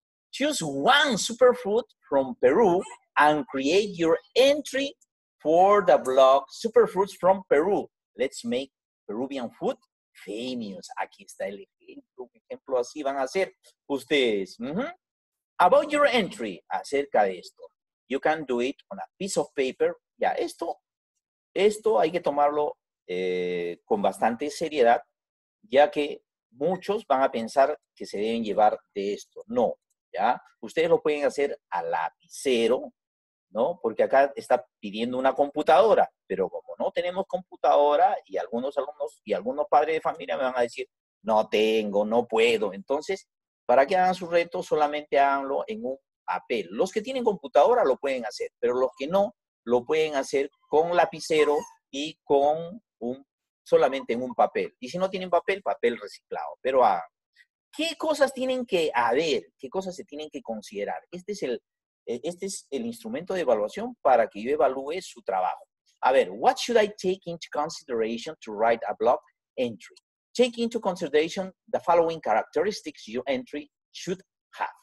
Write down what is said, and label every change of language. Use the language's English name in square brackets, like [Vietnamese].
[English] Choose one superfood from Peru and create your entry for the blog Superfoods from Peru. Let's make Peruvian food famous. [Spanish] Aquí está el ejemplo. Un ejemplo así van a hacer ustedes. Mm-hmm. [English] About your entry, [Spanish] acerca de esto. [English] You can do it on a piece of paper. [Spanish] Ya, esto hay que tomarlo con bastante seriedad, ya que muchos van a pensar que se deben llevar de esto. No, ¿ya? Ustedes lo pueden hacer a lapicero, ¿no? Porque acá está pidiendo una computadora, pero como no tenemos computadora y algunos alumnos y algunos padres de familia me van a decir, no tengo, no puedo. Entonces, para que hagan su reto, solamente háganlo en un papel. Los que tienen computadora lo pueden hacer, pero los que no, lo pueden hacer con lapicero y con un solamente en un papel. Y si no tienen papel, papel reciclado. Pero, ¿qué cosas tienen que haber? ¿Qué cosas se tienen que considerar? Este es el instrumento de evaluación para que yo evalúe su trabajo. A ver, [English] what should I take into consideration to write a blog entry? Take into consideration the following characteristics your entry should have.